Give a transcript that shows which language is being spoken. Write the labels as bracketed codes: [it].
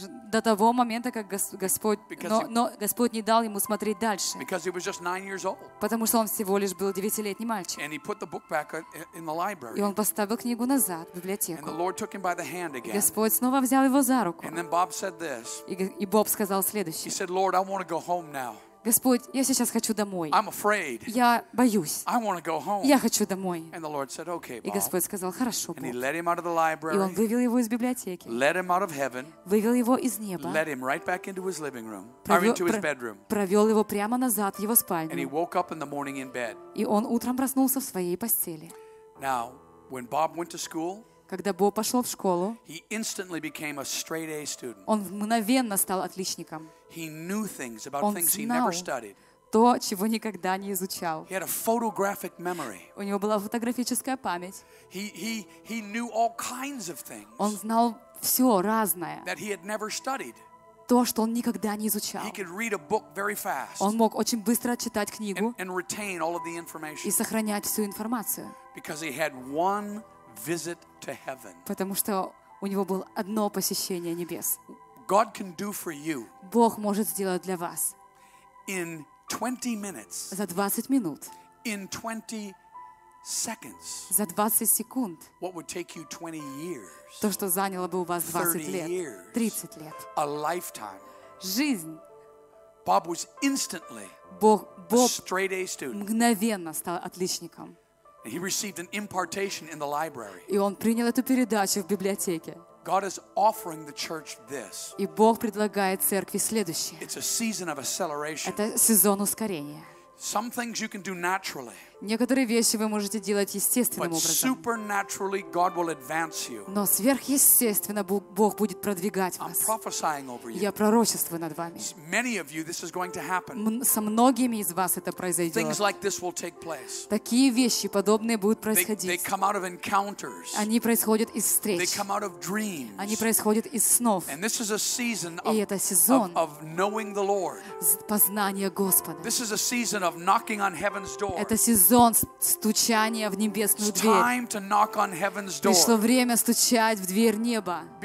[ru] До того момента, как Господь, но Господь не дал ему смотреть дальше. [en] Because he was just 9 years old. [ru] Потому что он всего лишь был 9-летний мальчик. [en] And he put the book back in the library. [ru] И он поставил книгу назад в библиотеку. [en] And the Lord took him by the hand again. [ru] Господь снова взял его за руку. [en] And then Bob said this. [ru] И Боб сказал следующее. [en] He said, Lord, I want to go home now. [ru] Господь, я сейчас хочу домой. [en] I'm afraid. [ru] Я боюсь. [en] I want to go home. [ru] Я хочу домой. [en] And the Lord said, okay, Bob. [ru] И Господь сказал, хорошо, Боб. [en] And he led him out of the library. [ru] И он вывел его из библиотеки. [en] Led him out of heaven. [ru] Вывел его из неба. [en] Led him right back into his living room. Into his bedroom. [ru] Провел его прямо назад в его спальню. [en] And he woke up in the morning in bed. [ru] И он утром проснулся в своей постели. [en] Now, when Bob went to school. [ru] Когда Бо пошел в школу, [en] he instantly became a straight-A student. [ru] Он мгновенно стал отличником. [en] He knew things about things he never studied. [ru] То, чего никогда не изучал. [en] He had a photographic memory. [ru] У него была фотографическая память. [en] He knew all kinds of things. [ru] Он знал все разное. [en] That he had never studied. [ru] То, что он никогда не изучал. [en] He could read a book very fast. [ru] Он мог очень быстро читать книгу. [en] And retain all of the information. [ru] И сохранять всю информацию. [en] Because he had one visit to heaven. [ru] Потому что у него было одно посещение небес. [en] God can do for you. [ru] Бог может сделать для вас. [en] In 20 minutes. [ru] За 20 минут. [en] In 20 seconds. [ru] За 20 секунд. [en] What would take you 20 years? [ru] То, что заняло бы у вас 20 лет. [en] 30 [ru] лет. [en] A lifetime. [ru] Жизнь. [en] Bob was instantly Bob a straight-A student. [ru] Мгновенно стал отличником. [en] And he received an impartation in the library. [ru] И он принял эту передачу в библиотеке. [en] God is offering the church this. [ru] И Бог предлагает церкви следующее. [en] It's a season of acceleration. [ru] Это сезон ускорения. [en] Some things you can do naturally. [ru] Некоторые вещи вы можете делать естественным образом. [en] But supernaturally, God will advance you. [ru] Но сверхъестественно Бог будет продвигать вас. [en] I'm prophesying over you. [ru] Я пророчествую над вами. [en] Many of you, this is going to happen. [ru] Со многими из вас это произойдет. [en] Things like this will take place. [ru] Такие вещи подобные будут происходить. [en] They come out of encounters. [ru] Они происходят из встреч. [en] They come out of dreams. [ru] Они происходят из снов. [en] And this is a season of knowing the Lord. [ru] Познания Господа. [en] This is a season of knocking on heaven's door. [ru] Это сезон стучания в небесную дверь. Пришло время стучать в дверь неба.